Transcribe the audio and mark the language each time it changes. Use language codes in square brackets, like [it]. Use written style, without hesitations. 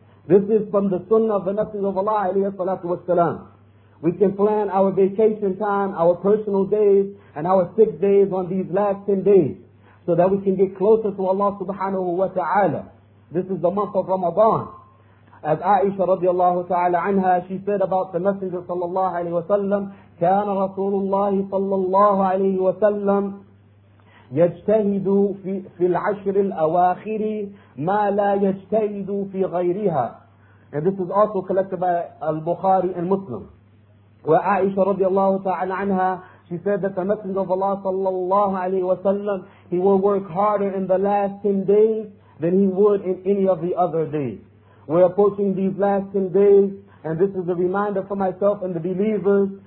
[en] This is from the sunnah of the Messenger of Allah alayhi salatu wasalam. We can plan our vacation time, our personal days, and our sick days on these last 10 days, so that we can get closer to Allah subhanahu wa ta'ala. This is the month of Ramadan. As Aisha radiallahu ta'ala anha, she said about the Messenger sallallahu alayhi wasallam, [ar] كَانَ رَسُولُ اللَّهِ صَلَّى اللَّهُ عَلَيْهِ وَسَلَّمْ يَجْتَهِدُ فِي الْعَشْرِ الْأَوَاخِرِ مَا لَا يَجْتَهِدُ فِي غَيْرِهَا. [en] And this is also collected by Al-Bukhari and Muslim. Where Aisha radiallahu ta'ala anha, she said that the Messenger of Allah sallallahu alayhi wa sallam, he will work harder in the last 10 days than he would in any of the other days. We're approaching these last 10 days, and this is a reminder for myself and the believers